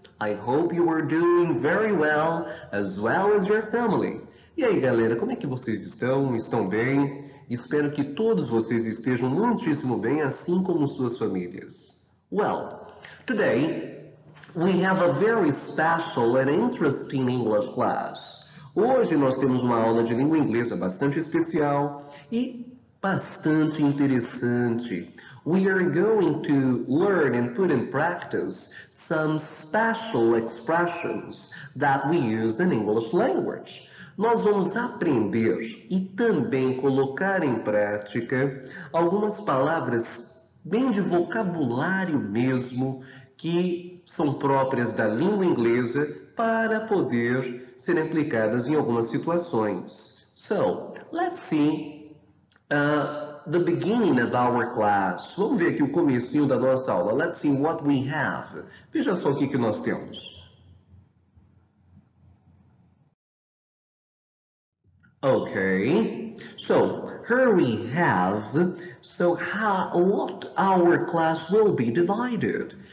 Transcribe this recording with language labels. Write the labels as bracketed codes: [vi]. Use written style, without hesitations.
[en] I hope you are doing very well as your family. [pt] E aí, galera, como é que vocês estão? Estão bem? Espero que todos vocês estejam muitíssimo bem, assim como suas famílias. [en] Well, today we have a very special and interesting English class. [pt] Hoje nós temos uma aula de língua inglesa bastante especial e bastante interessante. [en] We are going to learn and put in practice some special expressions that we use in English language. [pt] Nós vamos aprender e também colocar em prática algumas palavras bem de vocabulário mesmo, que são próprias da língua inglesa para poder serem aplicadas em algumas situações. [en] So, let's see the beginning of our class. [pt] Vamos ver aqui o comecinho da nossa aula. [en] Let's see what we have. [pt] Veja só o que nós temos. [en] Okay, so here we have. So, what our class will be divided?